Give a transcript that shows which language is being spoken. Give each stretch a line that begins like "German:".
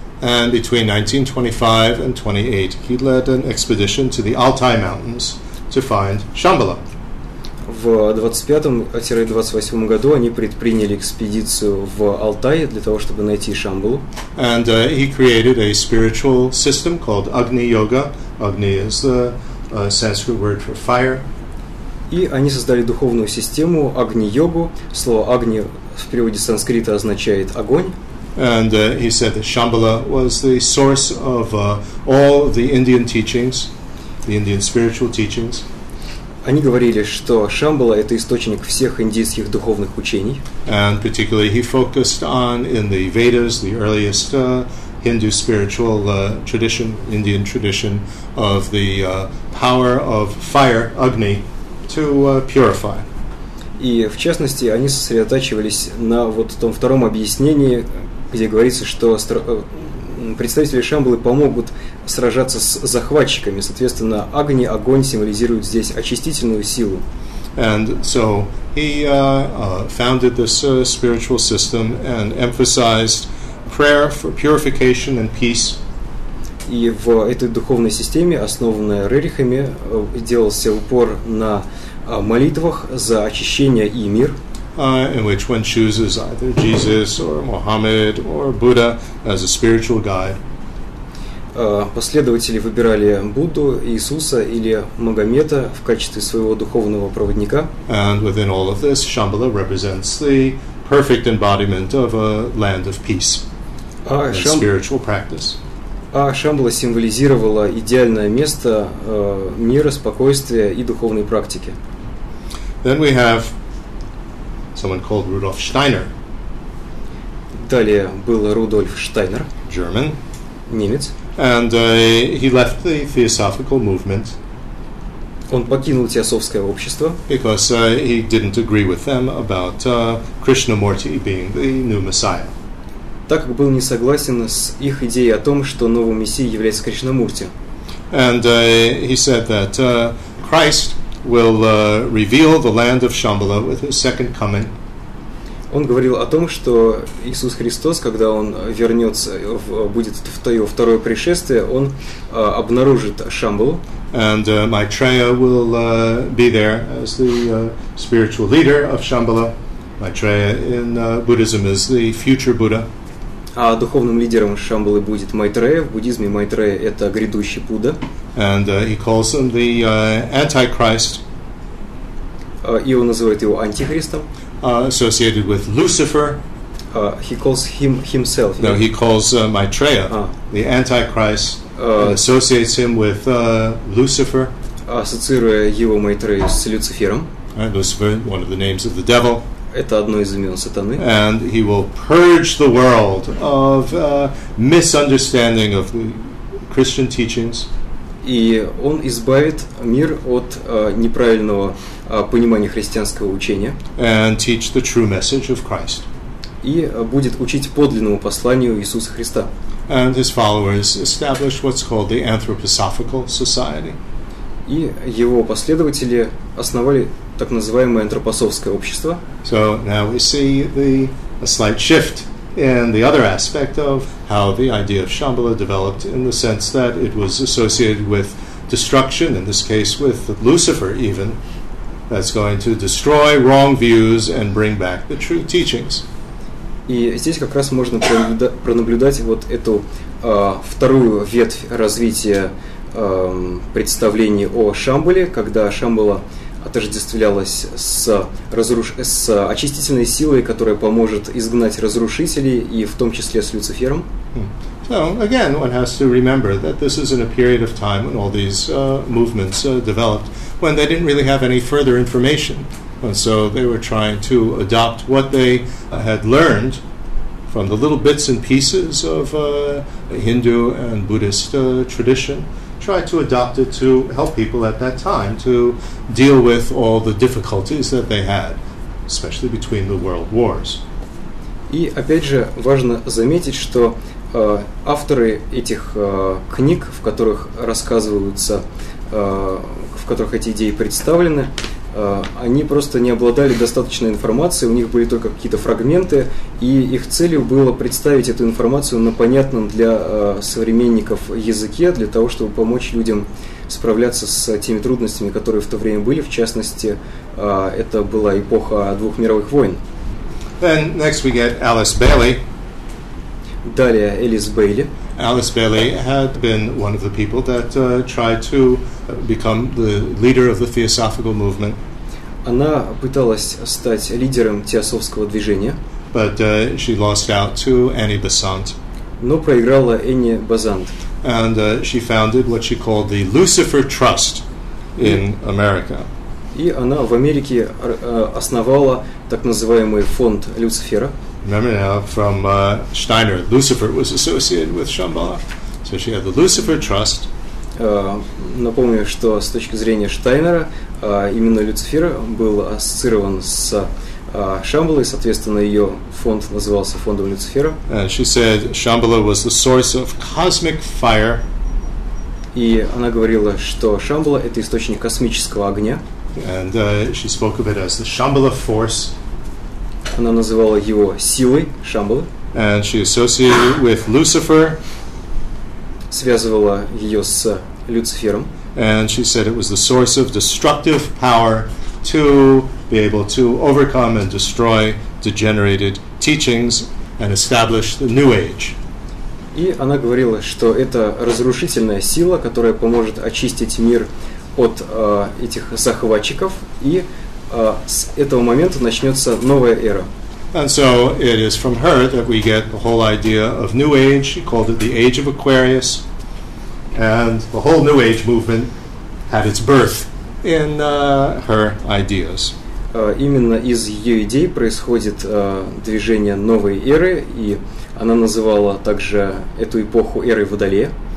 English: And between 1925 and 28, he led an expedition to the Altai Mountains to find Shambhala.
Russian: В 1925-1928 году они предприняли экспедицию в Алтай для того, чтобы найти Шамбалу.
English: And he created a spiritual system called Agni Yoga. Agni is the Sanskrit word for fire.
Russian: И они создали духовную систему Агни Йогу. Слово Агни в переводе с санскрита означает огонь.
English: And he said that Shambhala was the source of all the Indian teachings, the Indian spiritual teachings.
Russian: Они говорили, что Шамбала — это источник всех индийских духовных учений.
English: And particularly he focused on in the Vedas, the earliest Hindu spiritual tradition, Indian tradition, of the power of fire, Agni, to purify.
Russian: И в частности, они сосредотачивались на вот том втором объяснении, где говорится, что представители Шамбалы помогут сражаться с захватчиками. Соответственно, огонь символизирует здесь очистительную силу.
English: And so he founded this spiritual system and emphasized prayer for purification and peace.
Russian: И в этой духовной системе, основанной Рерихами, делался упор на молитвах за очищение и мир.
English: In which one chooses either Jesus or Muhammad or Buddha as a spiritual guide.
Russian: Последователи выбирали Будду, Иисуса или Магомета в качестве своего духовного проводника.
English: And within all of this, Shambhala represents the perfect embodiment of a land of peace and spiritual practice.
Russian: А Шамбала символизировала идеальное место мира, спокойствия и духовной практики.
English: Then we have someone called Rudolf Steiner.
Russian: Далее был Рудольф Штайнер.
English: German.
Russian: Немец.
English: And he left the theosophical movement.
Russian: Он покинул теософское общество.
English: Because he didn't agree with them about Krishnamurti being the new Messiah.
Russian: Так как был не согласен с их идеей о том, что новым мессией является Кришнамурти.
English: And he said that Christ will reveal the land of Shambhala with his second coming.
Russian: Он говорил о том, что Иисус Христос, когда он вернется, будет в то его второе пришествие, он обнаружит Шамбалу.
English: And Maitreya will be there as the spiritual leader of Shambhala. Maitreya in Buddhism is the future Buddha.
Russian: А духовным лидером Шамбалы будет Майтрея. В буддизме Майтрея — это грядущий Будда.
English: And he calls him the Antichrist.
Russian: И он называет его Антихристом.
English: Associated with Lucifer. He calls him himself. No, he calls Maitreya the Antichrist. associates him with Lucifer.
Russian: Ассоциируя его Майтрею с Люцифером.
English: And Lucifer, one of the names of the devil.
Russian: Это одно из имен сатаны.
English: And he will purge the world of misunderstanding of the Christian teachings.
Russian: И он избавит мир от неправильного понимания христианского учения.
English: And teach the true message of Christ.
Russian: И будет учить подлинному посланию Иисуса Христа.
English: And his followers establish what's called the Anthroposophical Society.
Russian: И его последователи основали так называемое антропософское общество.
English: So now we see a slight shift in the other aspect of how the idea of Shambhala developed, in the sense that it was associated with destruction, in this case with Lucifer even, that's going to destroy wrong views and bring back the true teachings.
Russian: И здесь как раз можно пронаблюдать вот эту вторую ветвь развития представлений о Шамбале, когда Шамбала отождествлялась с очистительной силой, которая поможет изгнать разрушителей, и в том числе с Люцифером.
English: So, again, one has to remember that this is in a period of time when all these movements developed, when they didn't really have any further information. And so they were trying to adopt what they had learned from the little bits and pieces of Hindu and Buddhist tradition, try to adopt it to help people at that time to deal with all the difficulties that they had, especially between the world wars.
Russian: И опять же важно заметить, что авторы этих книг, в которых рассказываются, в которых эти идеи представлены, они просто не обладали достаточной информацией, у них были только какие-то фрагменты, и их целью было представить эту информацию на понятном для современников языке, для того, чтобы помочь людям справляться с теми трудностями, которые в то время были. В частности, это была эпоха двух мировых войн.
English: Then next we get Alice Bailey.
Russian: Далее Элис Бейли.
English: Alice Bailey had been one of the people that tried to become the leader of the Theosophical movement.
Russian: Она пыталась стать лидером теософского движения.
English: But she lost out to Annie Besant.
Russian: Но проиграла Энни Базант.
English: And she founded what she called the Lucifer Trust in America.
Russian: И она в Америке основала так называемый фонд Люцифера.
English: Remember now from Steiner, Lucifer was associated with Shambhala. So she had the Lucifer Trust.
Russian: Напомню, что с точки зрения Штайнера, именно Люцифер был ассоциирован с Шамбалой, соответственно, ее фонд назывался фондом Люцифера.
English: And she said Shambhala was the source of cosmic fire.
Russian: И она говорила, что Шамбала – это источник космического огня.
English: And she spoke of it as the Shambhala force.
Russian: Она называла его силой Шамбалы.
English: And she associated with Lucifer.
Russian: Связывала ее с Люцифером.
English: And she said it was the source of destructive power to be able to overcome and destroy degenerated teachings and establish the New Age.
Russian: И она говорила, что это разрушительная сила, которая поможет очистить мир от этих захватчиков, и с этого момента начнется новая эра.
English: And so it is from her that we get the whole idea of New Age. She called it the Age of Aquarius. And the whole New Age movement had its birth in her ideas.
Russian: Именно из ее идей происходит движение новой эры, и она называла также эту эпоху эрой Водолея.